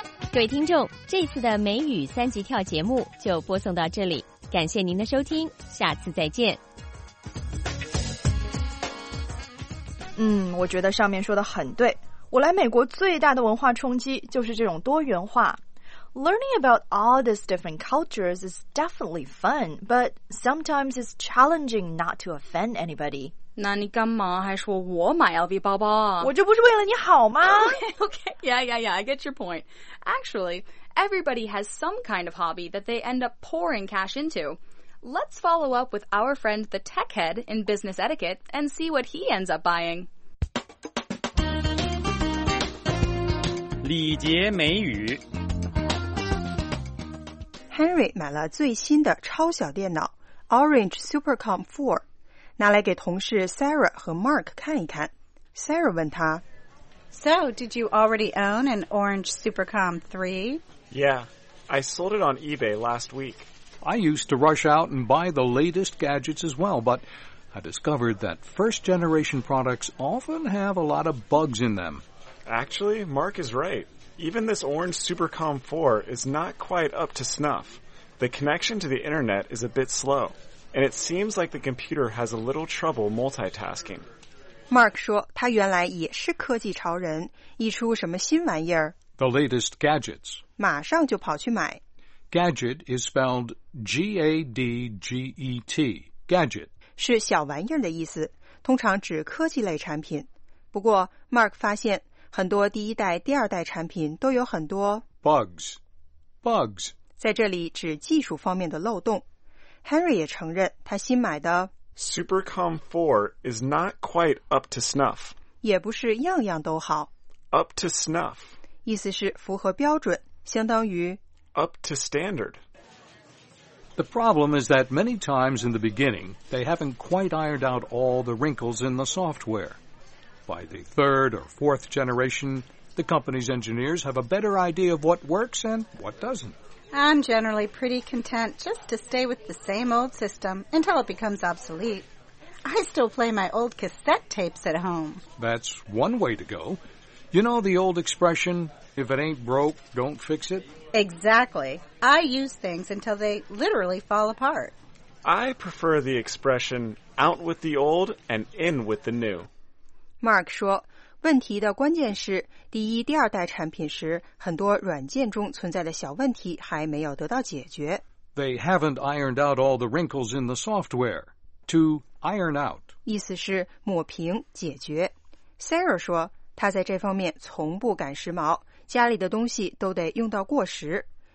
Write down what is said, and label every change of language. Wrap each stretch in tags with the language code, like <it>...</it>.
<zh>各位听众，这次的美语三级跳节目就播送到这里，感谢您的收听，下次再见。嗯，我觉得上面说的很对。我来美国最大的文化冲击就是这种多元化。</zh> <en>Learning about all these different cultures is definitely fun, but sometimes it's challenging not to offend anybody.</en> <zh>那你干嘛还说我买 LV 包包啊？我这不是为了你好吗？</zh> <en>Okay, I get your point. Actually, everybody has some kind of hobby that they end up pouring cash into. Let's follow up with our friend the tech head in business etiquette and see what he ends up buying.</en> <zh>礼节美语 Henry 买了最新的超小电脑 Orange Supercom 4拿来给同事 Sarah 和 Mark 看一看 Sarah 问他</zh> <en>So, did you already own an Orange Supercom 3? Yeah, I sold it on eBay last week. I used to rush out and buy the latest gadgets as well, but I discovered that first generation products often have a lot of bugs in them. Actually, Mark is right. Even this Orange Supercom 4 is not quite up to snuff. The connection to the internet is a bit slow, and it seems like the computer has a little trouble multitasking.</en> <zh>Mark 说他原来也是科技潮人，一出什么新玩意儿</zh> <en>The latest gadgets.</en> <zh>马上就跑去买。</zh> <en>Gadget is spelled G-A-D-G-E-T. Gadget.</en> <zh>是小玩意儿的意思，通常指科技类产品。不过 Mark 发现很多第一代、第二代产品都有很多</zh> <en>bugs</en> <zh>在这里指技术方面的漏洞。 Henry 也承认他新买的</zh> <en>Supercom 4 is not quite up to snuff，</en> <zh>也不是样样都好。</zh> <en>Up to snuff</en> <zh>意思是符合标准，相当于</zh> <en>up to standard。 The problem is that many times in the beginning they haven't quite ironed out all the wrinkles in the software. By the third or fourth generation, the company's engineers have a better idea of what works and what doesn't. I'm generally pretty content just to stay with the same old system until it becomes obsolete. I still play my old cassette tapes at home. That's one way to go. You know the old expression, if it ain't broke, don't fix it? Exactly. I use things until they literally fall apart. I prefer the expression, out with the old and in with the new.</en> <zh>Mark 说问题的关键是第一、第二代产品时很多软件中存在的小问题还没有得到解决。</zh> <en>They haven't ironed out all the wrinkles in the software. To iron out.</en> <zh>意思是抹平、解决。 Sarah 说他在这方面从不赶时髦，家里的东西都得用到过时。</zh>